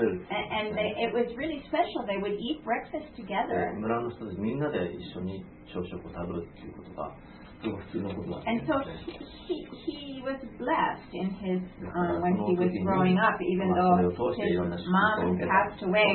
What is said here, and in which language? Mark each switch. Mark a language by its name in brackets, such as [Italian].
[English] And it was really special. They would eat breakfast together. [Japanese] 村の人たちみんなで一緒に朝食を食べるっていうことが。 [English] And so he was blessed in his when he was growing up, even though his mom passed away.